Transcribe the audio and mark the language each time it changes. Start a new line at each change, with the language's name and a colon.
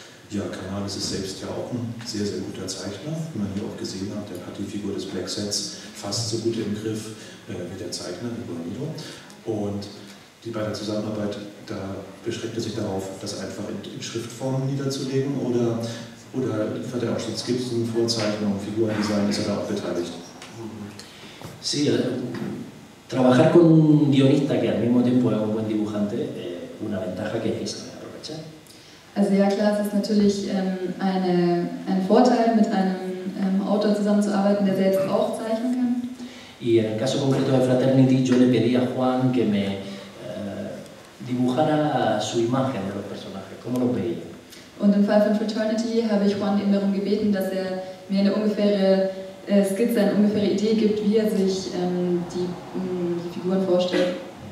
German: Ja, Canales ist selbst ja auch ein sehr, sehr guter Zeichner. Wie man hier auch gesehen hat, der hat die Figur des Black Sets fast so gut im Griff wie der Zeichner, wie Bonito. Und die bei der Zusammenarbeit, da beschränkt er sich darauf, das einfach in Schriftform niederzulegen oder hat er auch schon Skizzen, Vorzeichnungen, Figurendesign, ist er da auch beteiligt?
Spanish: Sí, trabajar con un guionista que al mismo tiempo es un buen dibujante, una ventaja que es saber aprovechar.
German: Also ja klar, es ist natürlich ein Vorteil, mit einem Autor zusammenzuarbeiten, der selbst auch zeichnen kann.
Spanish: Y en el caso concreto de Fraternity, yo le pedí a Juan que me dibujara su imagen de los personajes. ¿Cómo lo veía?
German: Und im Fall von Fraternity habe ich Juan eben darum gebeten, dass er mir eine ungefähre Skizze, eine ungefähre Idee gibt, wie er sich die Figuren vorstellt.